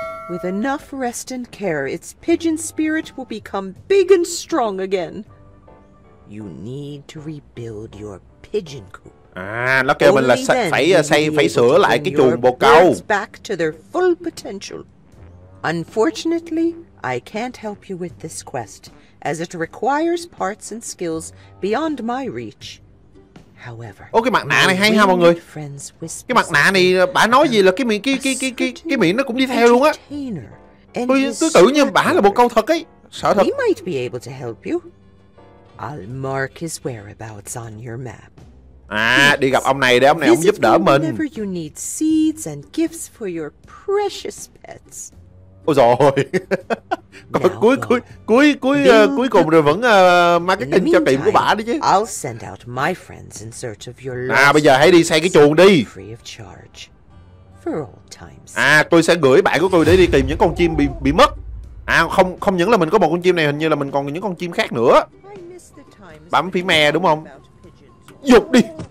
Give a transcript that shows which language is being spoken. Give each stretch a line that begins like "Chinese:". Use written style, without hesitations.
English: With enough rest and care, its pigeon spirit will become big and strong again. You need to rebuild your pigeon coop.
Vietnamese: À, nó kêu mình là phải sửa lại cái chuồng bồ câu.
English: Back to their full potential. Unfortunately, I can't help you with this quest, as it requires parts and skills beyond my reach. However,
Vietnamese: ô cái mặt nạ này hay ha mọi người. Cái mặt nạ này bả nói gì là cái miệng nó cũng đi theo luôn á. Tôi tự như bả là bồ câu thật ấy. Sợ thật.
English: He might be able to help you. I'll mark his whereabouts on your map.
Vietnamese: À, đi gặp ông này để ông này ông giúp đỡ mình.
English: Whenever you need seeds and gifts for your precious pets.
Vietnamese: Ôi rồi. Còn cuối cùng rồi vẫn marketing cho tiệm của bà đó chứ.
English: I'll send out my friends in search of your lost.
Vietnamese: À, bây giờ hãy đi xây cái chuồng đi.
English: Free of charge. For all times.
Vietnamese: À, tôi sẽ gửi bạn của tôi để đi tìm những con chim bị mất. À, không những là mình có một con chim này, hình như là mình còn những con chim khác nữa. Bấm phím me đúng không? Giục đi.